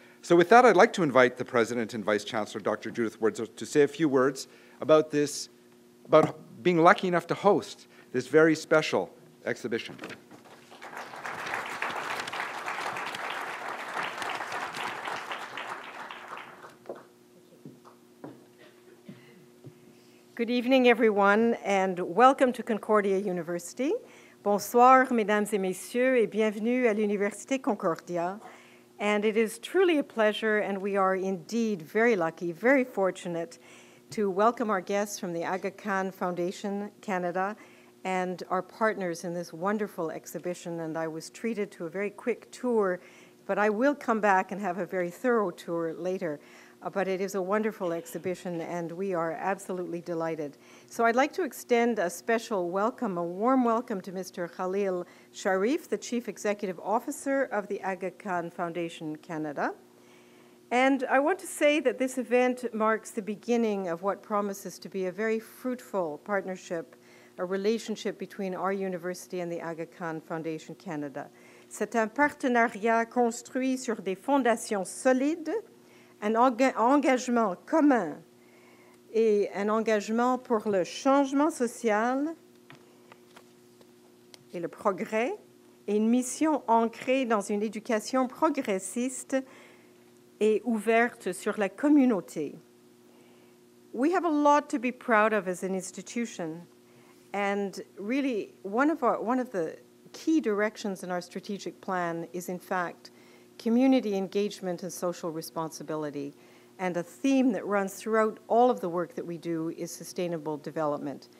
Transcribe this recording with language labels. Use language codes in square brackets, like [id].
[en] So with that, I'd like to invite the President and Vice Chancellor, Dr. Judith Woodsworth, to say a few words about this, about being lucky enough to host this very special exhibition. Good evening, everyone, and welcome to Concordia University. [fr] Bonsoir, mesdames et messieurs, et bienvenue à l'Université Concordia. [en] And it is truly a pleasure, and we are indeed very lucky, very fortunate, to welcome our guests from the Aga Khan Foundation Canada and our partners in this wonderful exhibition. And I was treated to a very quick tour, but I will come back and have a very thorough tour later. But it is a wonderful exhibition, and we are absolutely delighted. So I'd like to extend a special welcome, a warm welcome to Mr. Khalil Sharif, the Chief Executive Officer of the Aga Khan Foundation Canada. And I want to say that this event marks the beginning of what promises to be a very fruitful partnership, a relationship between our university and the Aga Khan Foundation Canada. [fr] C'est un partenariat construit sur des fondations solides, un engagement commun et un engagement pour le changement social et le progrès et une mission ancrée dans une éducation progressiste et ouverte sur la communauté. [en] We have a lot to be proud of as an institution, and really one of the key directions in our strategic plan is in fact community engagement and social responsibility. And a theme that runs throughout all of the work that we do is sustainable development.